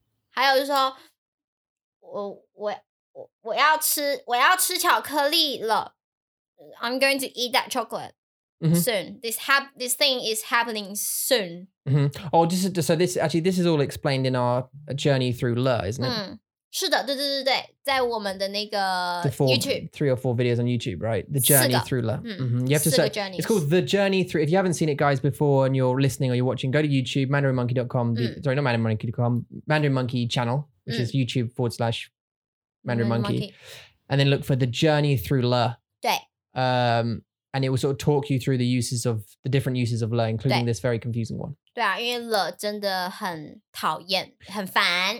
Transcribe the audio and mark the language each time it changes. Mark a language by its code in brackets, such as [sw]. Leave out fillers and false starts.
[zh] 还有就是说 我要吃巧克力了 [en] I'm going to eat that chocolate、 [zh] mm-hmm. [en] soon this thing is happening soon、 mm-hmm. Oh, this is all explained in our journey through Le, isn't it?、 [zh] 是的对对对对在我们的那个 [en] three or four videos on YouTube, right? The journey through Le.、 You have to search. It's called The Journey Through. If you haven't seen it, guys, before and you're listening or you're watching, go to YouTube, mandarinmonkey.com.、Sorry, not mandarinmonkey.com, Mandarin Monkey channel, which、is YouTube / Mandarin Monkey. And then look for The Journey Through Le. [zh] 对、 [en] And it will sort of talk you through the different uses of Le, including this very confusing one. [zh] 对啊，因为了真的很讨厌，很烦。